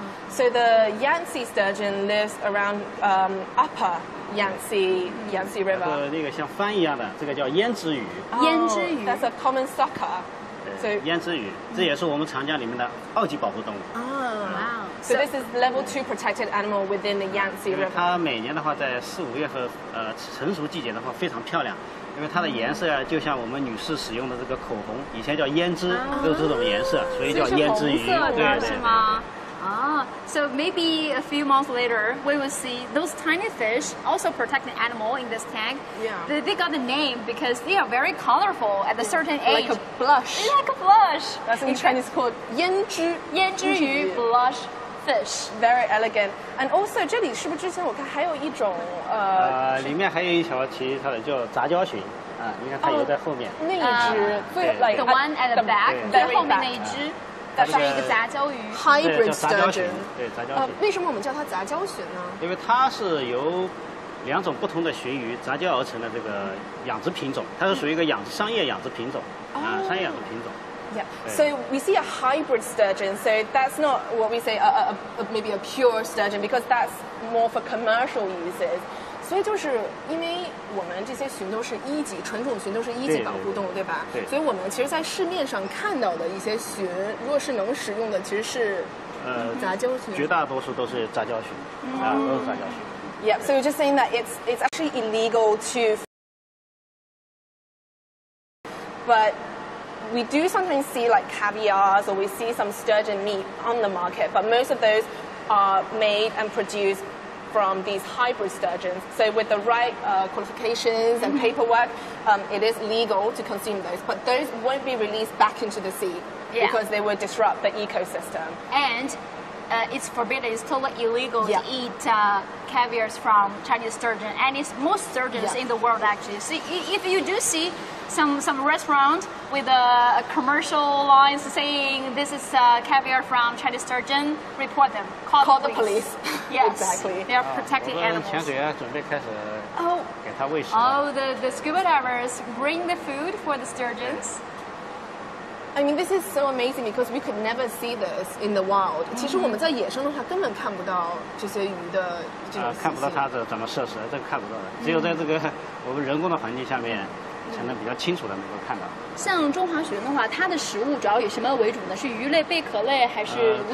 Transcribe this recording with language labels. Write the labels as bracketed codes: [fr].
[en] So the Yangtze sturgeon lives around upper Yangtze River. [zh] 那个像帆一样的，这个叫胭脂鱼。胭脂鱼 [en] ，That's a common sucker. [zh] So, 胭脂鱼，这也是我们长江里面的二级保护动物。 [en] So this is level 2 protected animal within the Yangtze River. [zh] 因为它每年的话，在四五月份，成熟季节的话非常漂亮，因为它的颜色啊，就像我们女士使用的这个口红，以前叫胭脂，都是这种颜色，所以叫胭脂鱼。对，是吗？ [en] So maybe a few months later, we will see those tiny fish, also protected animal in this tank. Yeah. They got the name because they are very colorful at a certain age. Like a blush. Like a blush. That's in Chinese called 胭脂鱼 blush fish. Very elegant. And also, [zh] 这里是不是之前我看还有一种里面还有一条其他的叫杂交鲟。你看它有在后面。那一只。 [en] Like the one at the back, [zh] 最后面那一只。它是一个杂交鱼 [en] ，hybrid sturgeon， [zh] 对，杂交鲟。为什么我们叫它杂交鲟呢？因为它是由两种不同的鲟鱼杂交而成的这个养殖品种，它是属于一个商业养殖品种，商业养殖品种。 [en] Yeah. So we see a hybrid sturgeon. So that's not what we say maybe a pure sturgeon because that's more for commercial uses. [zh] 所以就是因为我们这些鲟都是一级纯种鲟，都是一级保护动物，对吧？对。所以我们其实，在市面上看到的一些鲟，如果是能食用的，其实是杂交鲟。绝大多数都是杂交鲟，都是杂交鲟。 [en] Yeah. So you're just saying that it's actually illegal to, but we do sometimes see like caviars or we see some sturgeon meat on the market, but most of those are made and produced. from these hybrid sturgeons. So with the right qualifications and paperwork, it is legal to consume those. But those won't be released back into the sea because they would disrupt the ecosystem. And it's forbidden, it's totally illegal to eat caviars from Chinese sturgeon. And it's most sturgeons in the world, actually. So if you do see some restaurant with a commercial lines saying this is caviar from Chinese sturgeon, report them. Call the police. Yes. Exactly. They are protecting animals. The scuba divers bring the food for the sturgeons. I mean, this is so amazing because we could never see this in the wild. [zh] Mm-hmm. 其实我们在野生的话根本看不到这些鱼的这种看不到它的怎么摄食，这个看不到的。 Mm-hmm. 只有在这个我们人工的环境下面才能比较清楚的能够看到。像中华鲟的话，它的食物主要以什么为主呢？是鱼类、贝壳类还是无脊椎类？